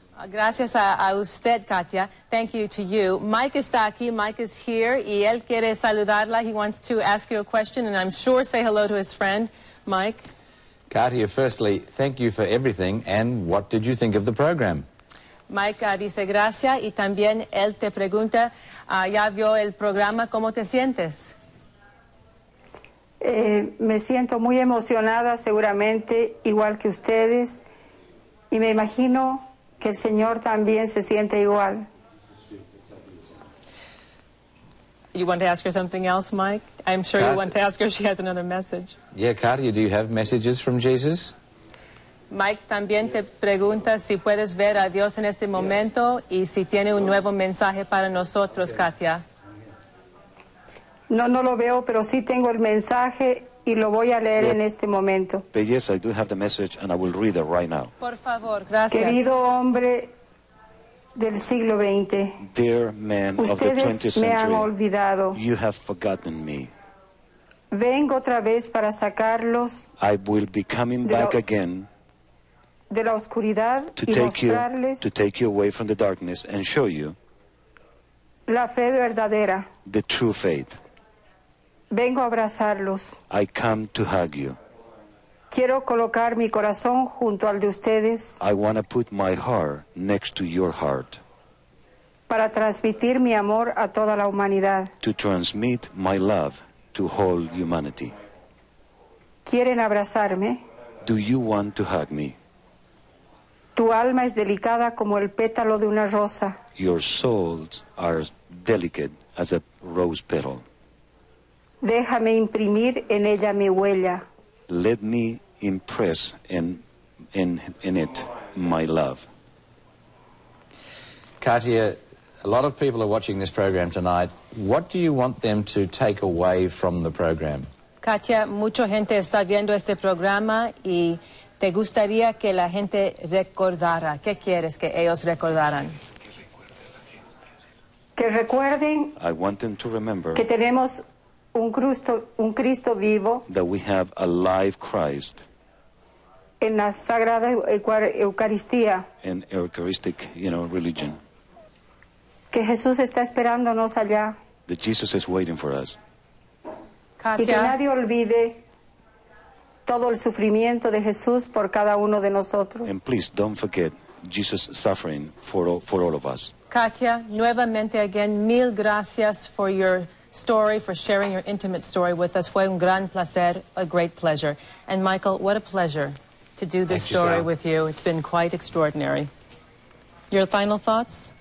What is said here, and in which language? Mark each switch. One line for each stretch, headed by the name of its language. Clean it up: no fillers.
Spanish: Gracias a usted, Katya.
English: Thank you to you.
Spanish: Mike está aquí.
English: Mike is here.
Spanish: Y él quiere saludarla.
English: He wants to ask you a question, and I'm sure say hello to his friend, Mike. Katya, firstly, thank you for everything. And what did you think of the program?
Spanish: Mike dice gracias y también él te pregunta, ¿ya vio el programa? ¿Cómo te sientes? Me siento muy emocionada, seguramente, igual que ustedes. Y me imagino que el Señor también se siente igual.
English: You want to ask her something else, Mike? I'm sure you want to ask her. She has another message. Yeah, Katya, do you have messages from Jesus?
Spanish: Mike también te pregunta si puedes ver a Dios en este momento y si tiene un nuevo mensaje para nosotros, Katya. No lo veo, pero sí tengo el mensaje y lo voy a leer en este momento.
English: But yes, I do have the message and I will read it right now.
Spanish: Por favor, gracias. Querido hombre del siglo XX,
English: dear man of the 20th century,
Spanish: ustedes me han olvidado.
English: You have forgotten me.
Spanish: Vengo otra vez para sacarlos.
English: I will be coming back again.
Spanish: De la oscuridad
English: to take
Spanish: y mostrarles
English: you, to take you away from the darkness and show you
Spanish: la fe verdadera,
English: the true faith.
Spanish: Vengo a abrazarlos.
English: I come to hug you.
Spanish: Quiero colocar mi corazón junto al de ustedes.
English: I want to put my heart next to your heart.
Spanish: Para transmitir mi amor a toda la humanidad.
English: To transmit my love to whole humanity.
Spanish: ¿Quieren abrazarme?
English: Do you want to hug me?
Spanish: Tu alma es delicada como el pétalo de una rosa.
English: Your souls are delicate as a rose petal.
Spanish: Déjame imprimir en ella mi huella.
English: Let me impress in it my love. Katya, a lot of people are watching this program tonight. What do you want them to take away from the program?
Spanish: Katya, mucha gente está viendo este programa y te gustaría que la gente recordara. ¿Qué quieres que ellos recordaran? Que recuerden.
English: I want them to remember.
Spanish: Que tenemos un Cristo vivo.
English: That we have a live Christ.
Spanish: En la Sagrada Eucaristía.
English: In Eucharistic, religion.
Spanish: Que Jesús está esperándonos allá.
English: That Jesus is waiting for us.
Spanish: Katia. Y que nadie olvide todo el sufrimiento de Jesús por cada uno de nosotros.
English: And please don't forget Jesus' suffering for all of us. Katia,
Spanish: nuevamente
English: again,
Spanish: mil gracias
English: for your story, for sharing your intimate story with us.
Spanish: Fue un gran placer,
English: a great pleasure. And Michael, what a pleasure to do this Thank story you, with you. It's been quite extraordinary. Your final thoughts?